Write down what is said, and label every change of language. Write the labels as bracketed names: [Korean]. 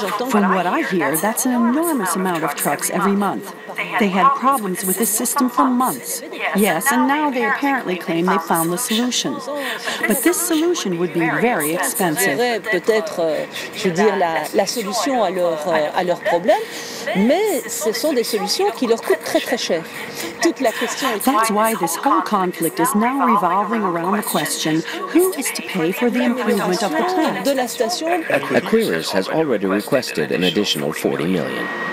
[English] From what I hear, that's an enormous amount of trucks every month. They had problems with the system for months. Yes, and now they apparently claim they found the solution. But this solution would be very expensive. [French] Je dirais peut-être, je veux dire, la solution à leur problème, mais ce sont des solutions qui leur coûtent très très cher. Toute la question est. [English] That's why this whole conflict is now revolving around the question: who is to pay for the improvement of the plant? [French] De la station. [English] Aquarius has already requested an additional 40 million.